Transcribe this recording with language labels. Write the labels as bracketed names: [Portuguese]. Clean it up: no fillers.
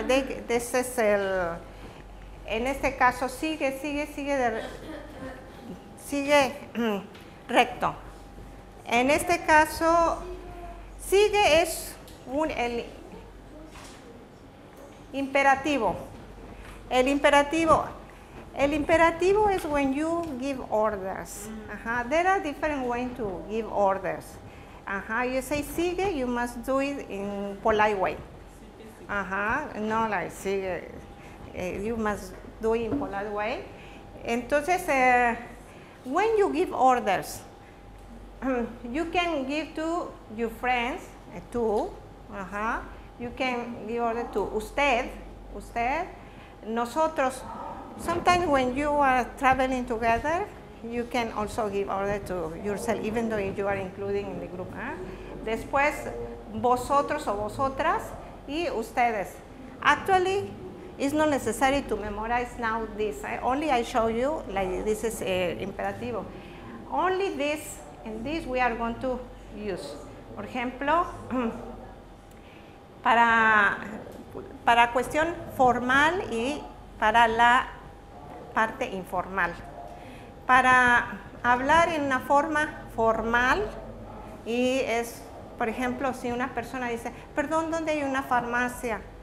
[Spanish] Ese es el, en este caso, sigue, sigue, sigue, sigue recto. En este caso, sigue es un, el imperativo. El imperativo es [English] when you give orders. There are different ways to give orders. You say sigue, you must do it in polite way. No, like sigue, you must do it in polite way. [Spanish] Entonces, [English] when you give orders, you can give to your friends, you can give order to usted, nosotros. Sometimes when you are traveling together, you can also give order to yourself, even though you are including in the group. [Spanish] Después, vosotros o vosotras y ustedes. [English] Actually, it's not necessary to memorize now this. I show you, like this is imperativo. Only this and this we are going to use. [Spanish] Por ejemplo, para cuestión formal y para la parte informal. Para hablar en una forma formal, y es, por ejemplo, si una persona dice, perdón, ¿dónde hay una farmacia?